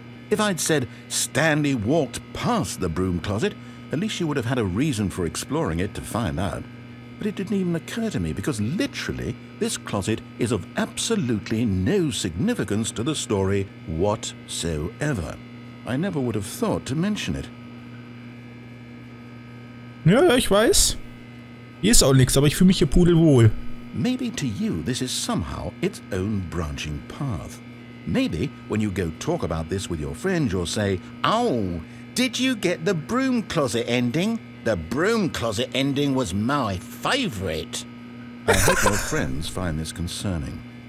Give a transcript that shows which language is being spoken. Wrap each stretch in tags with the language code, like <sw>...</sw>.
<en>If I'd said Stanley walked past the broom closet, at least you would have had a reason for exploring it to find out. But it didn't even occur to me, because literally, this closet is of absolutely no significance to the story whatsoever. I never would have thought to mention it.</en> <de>Ja, ich weiß. Hier ist auch nichts, aber ich fühle mich hier pudelwohl.</de> <en>Maybe to you this is somehow its own branching path. Maybe when you go talk about this with your friends, you'll say, "Oh, did you get the broom closet ending? The broom closet ending was my favorite." I hope your friends find this concerning.</en>